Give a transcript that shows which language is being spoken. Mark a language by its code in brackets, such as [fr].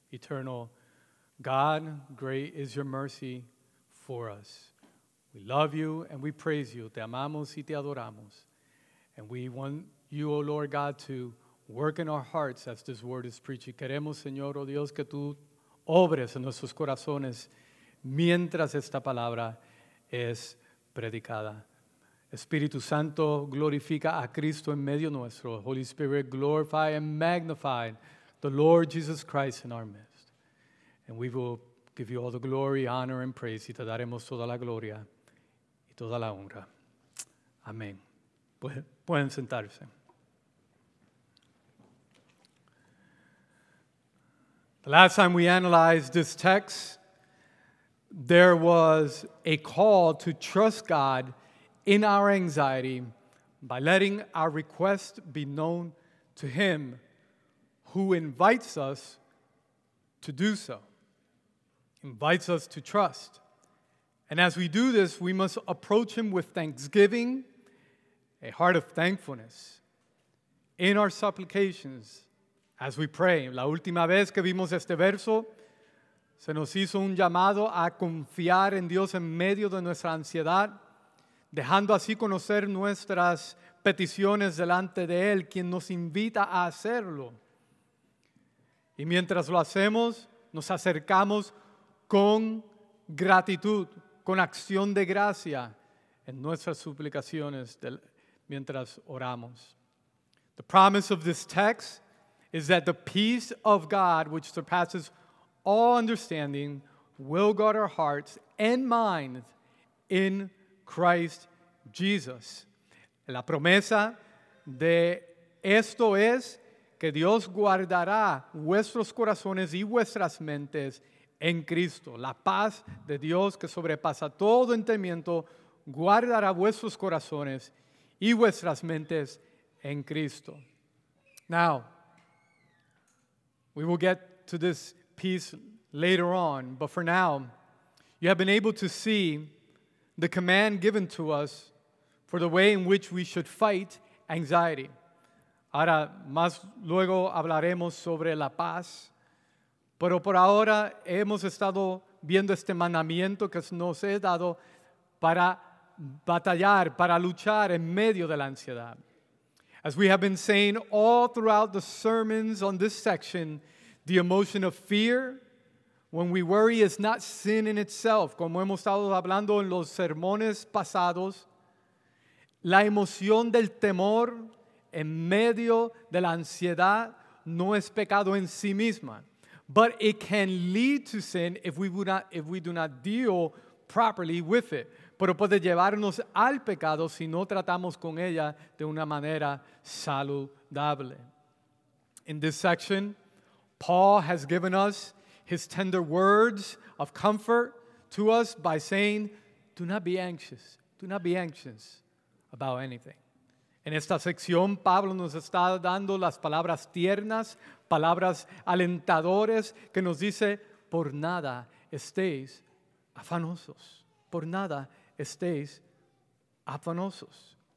[en] Eternal God, great is your mercy for us. We love you and we praise you. [es] Te amamos y te adoramos. [en] And we want you, O Lord God, to work in our hearts as this word is preached. [es] Queremos, Señor, oh Dios, que tú obres en nuestros corazones mientras esta palabra es predicada. Espíritu Santo, glorifica a Cristo en medio nuestro. [en] Holy Spirit, glorify and magnify the Lord Jesus Christ in our midst. And we will give you all the glory, honor, and praise. [es] Y te daremos toda la gloria y toda la honra. Amén. Pueden sentarse. [en] The last time we analyzed this text, there was a call to trust God in our anxiety, by letting our request be known to Him who invites us to do so, invites us to trust. And as we do this, we must approach Him with thanksgiving, a heart of thankfulness, in our supplications as we pray. [es] La última vez que vimos este verso, se nos hizo un llamado a confiar en Dios en medio de nuestra ansiedad, dejando así conocer nuestras peticiones delante de Él, quien nos invita a hacerlo. Y mientras lo hacemos, nos acercamos con gratitud, con acción de gracia en nuestras suplicaciones mientras oramos. [en] The promise of this text is that the peace of God, which surpasses all understanding, will guard our hearts and minds in Christ Jesus. [es] La promesa de esto es que Dios guardará vuestros corazones y vuestras mentes en Cristo. La paz de Dios que sobrepasa todo entendimiento guardará vuestros corazones y vuestras mentes en Cristo. [en] Now, we will get to this piece later on, but for now, you have been able to see the command given to us for the way in which we should fight anxiety. [es] Ahora, más luego hablaremos sobre la paz. Pero por ahora hemos estado viendo este mandamiento que nos he dado para batallar, para luchar en medio de la ansiedad. [en] As we have been saying all throughout the sermons on this section, the emotion of fear, when we worry, is not sin in itself. [es] Como hemos estado hablando en los sermones pasados, la emoción del temor en medio de la ansiedad no es pecado en sí misma. [en] But it can lead to sin if we do not deal properly with it. [es] Pero puede llevarnos al pecado si no tratamos con ella de una manera saludable. [en] In this section, Paul has given us his tender words of comfort to us by saying, do not be anxious. Do not be anxious about anything. [es] En esta sección, Pablo nos está dando las palabras tiernas, palabras alentadores, que nos dice, por nada estéis afanosos. Por nada estéis afanosos.